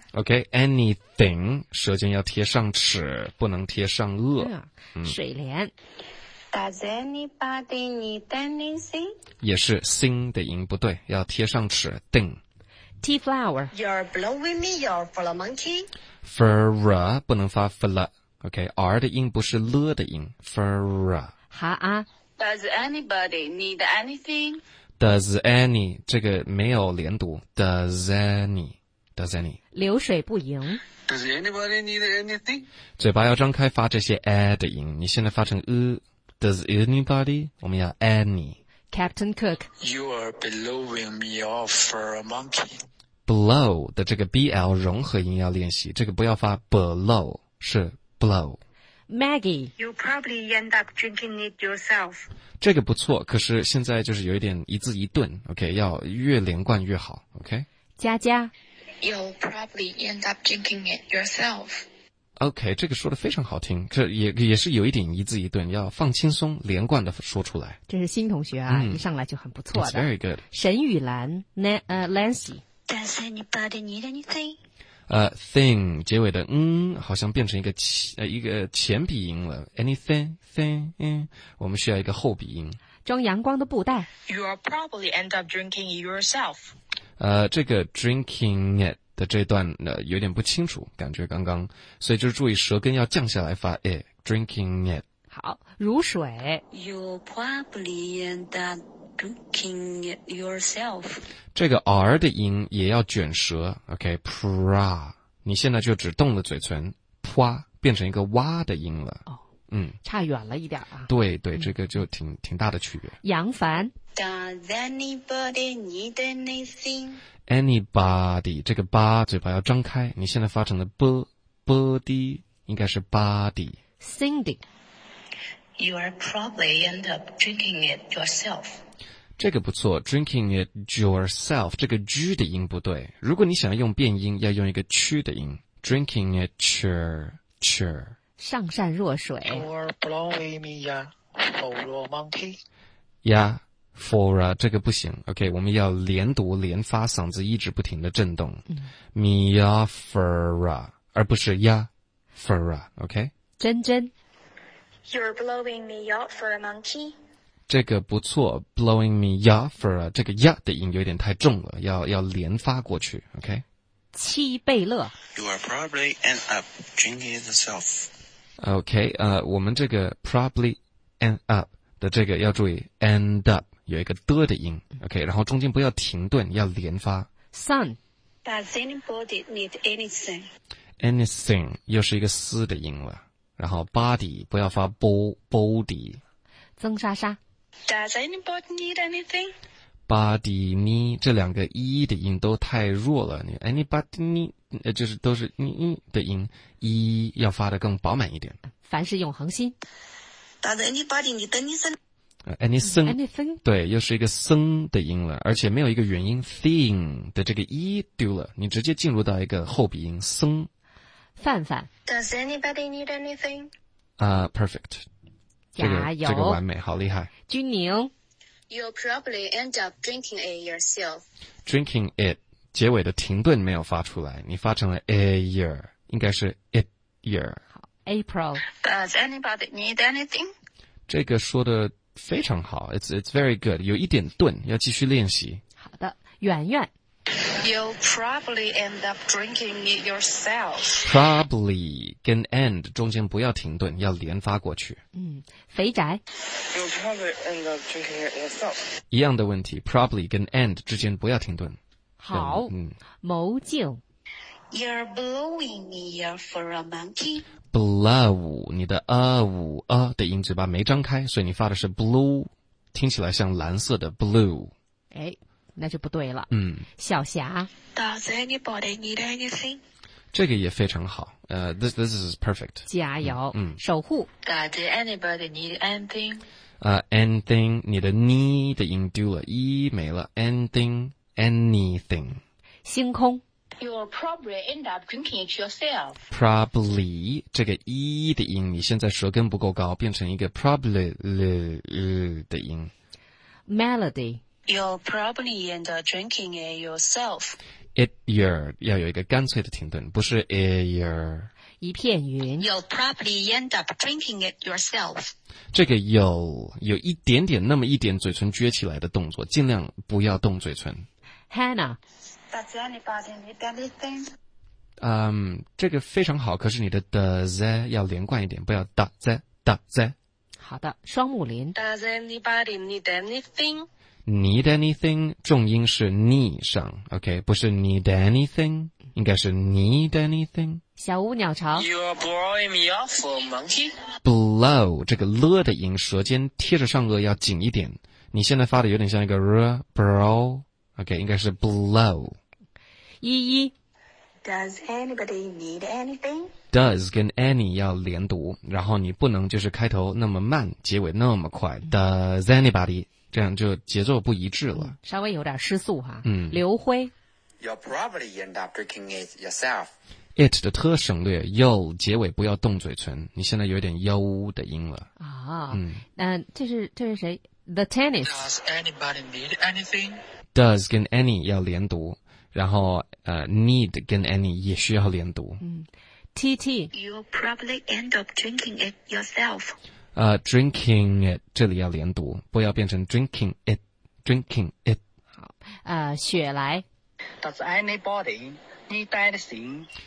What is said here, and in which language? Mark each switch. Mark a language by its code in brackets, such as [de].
[zh] OK, anything 舌尖要贴上齿不能贴上颚、水莲 [en] Does anybody need anything? [zh] 也是sing的音不对要贴上齿 ding [en] Tea flower You're blowing me your fur monkey [zh] Fur 不能发 fur OK, R 的音不是了的音 Fur 好啊 [en] Does anybody need anything? [zh] Does any, 这个没有连读 [en] Does any [zh] 流水不盈 [en] Does anybody need anything? [zh] 嘴巴要张开发这些 air 的音你现在发成 Does anybody? 我们要 any [en] Captain Cook You are blowing me off for a monkey [zh] Blow 的这个 BL 融合音要练习这个不要发 blow 是 blow [en] Maggie, you probably end up drinking it yourself. [zh] 这个不错，可是现在就是有一点一字一顿 ，OK， 要越连贯越好 ，OK。佳佳，you'll probably end up drinking it yourself. OK， 这个说的非常好听，这也是有一点一字一顿，要放轻松，连贯的说出来。这是新同学啊，一上来就很不错的。 [en] It's very good. [zh] 沈雨兰 ，Lancy. [en] Does anybody need anything? [zh] thing 结尾的好像变成一个前鼻音了 anything 我们需要一个后鼻音装阳光的布袋 [en] you'll probably end up drinking it yourself [zh] 这个 drinking it 的这段有点不清楚，感觉刚刚，所以就是注意舌根要降下来发 drinking it。好，如水。 [en] You probably end up drinking it yourself。 [zh] 这个 R 的音也要卷舌 ，OK，pra。你现在就只动了嘴唇 ，pra 变成一个哇的音了。哦，嗯，差远了一点啊。对对，这个就挺大的区别。杨凡。 [en] Does anybody need anything? [zh] Anybody, 这个巴嘴巴要张开，你现在发成了 body 应该是 body。 [en] Cindy, you are probably end up drinking it yourself. [zh] 这个不错 ,drinking it yourself, 这个 g 的音不对。如果你想要用变音要用一个 ch 的音 ,drinking it cher. 上善若水。 [en] You are blowing me, yeah, for a monkey. Yeah. [zh] For a, 这个不行 ,OK, 我们要连读连发嗓子一直不停的震动。嗯、 Mia for a, 而不是 ya for a,OK?、Okay? 真真。 [en] You're blowing me ya for a monkey? [zh] 这个不错 ,blowing me ya for a, 这个 ya 的音有点太重了要连发过去 ,OK? 七贝乐。 [en] You are probably end up drinking it yourself. [zh] OK, 我们这个 probably end up 的这个要注意 end up. 有一个的的音 ,OK, 然后中间不要停顿要连发。 [en] Son, does anybody need anything? [zh] Anything, 又是一个思的音了。然后 body, 不要发 body。曾莎莎 [en] ,does anybody need anything? [zh] Body, me, 这两个 e 的音都太弱了。 Anybody need, 就是都是 e 的音 ,e 要发得更饱满一点。凡事永恒心。 [en] Does anybody need anything? [zh] Anything, 对又是一个僧的音了而且没有一个元音 thing 的这个 e 丢了你直接进入到一个后鼻音僧。范范 [en] Does anybody need anything? Perfect. [zh] 加油、这个完美好厉害。君宁 [en] You'll probably end up drinking it yourself. [zh] Drinking it, 结尾的停顿没有发出来你发成了 a year, 应该是 it year. [en] April Does anybody need anything? [zh] 这个说的非常好 [en] it's very good, [zh] 有一点顿要继续练习。好的圆圆。 [en] You'll probably end up drinking it yourself. [zh] Probably 跟 end 中间不要停顿要连发过去。嗯肥宅。 [en] You'll probably end up drinking it yourself. [zh] 一样的问题 probably 跟 end 之间不要停顿。好嗯谋静。 [en] You're blowing me for a monkey. [zh] Blow, 你的的音嘴巴没张开所以你发的是 blue, 听起来像蓝色的 blue。诶那就不对了。嗯。小霞。 [en] Does anybody need anything? [zh] 这个也非常好 [en] this is perfect. [zh] 加油。嗯。守护。 [en] Does anybody need anything? [zh] Anything, 你的 need 的音丢了一没了 ,anything, anything. 星空。 [en] You'll probably end up drinking it yourself. [zh] Probably, 这个 e 的音你现在舌根不够高变成一个 probably 的音。 [en] Melody. You'll probably end up drinking it yourself. [zh] It year, 要有一个干脆的停顿不是 a year. 一片云。 [en] You'll probably end up drinking it yourself. [zh] 这个有一点点那么一点嘴唇撅起来的动作尽量不要动嘴唇。 [en] Hannah. Does anybody need anything? [zh] 这个非常好可是你的 does 要连贯一点不要 does. 好的双木林。 [en] Does anybody need anything? [zh] Need anything, 重音是 need 上 ,OK, 不是 need anything, 应该是 need anything. 小屋鸟巢。 [en] You're blowing me off, monkey. [zh] Blow, 这个了的音舌尖贴着上颚要紧一点。你现在发的有点像一个 r, bro,OK, 应该是 blow. 依依 [en] Does anybody need anything? [zh] Does 跟 any 要连读然后你不能就是开头那么慢结尾那么快、Does anybody? 这样就节奏不一致了。稍微有点失速哈。嗯。刘辉 [en] You'll probably end up drinking it yourself. [zh] It 的特省略 you 结尾不要动嘴唇你现在有点 you 的音了。这是谁 [en] The tennis. Does anybody need anything? [zh] Does 跟 any 要连读然后need 跟 any 也需要连读。嗯、TT, [en] you'll probably end up drinking it yourself. [zh] Drinking it, 这里要连读不要变成 drinking it, drinking it. 好雪莱。 [en] Does anybody need anything?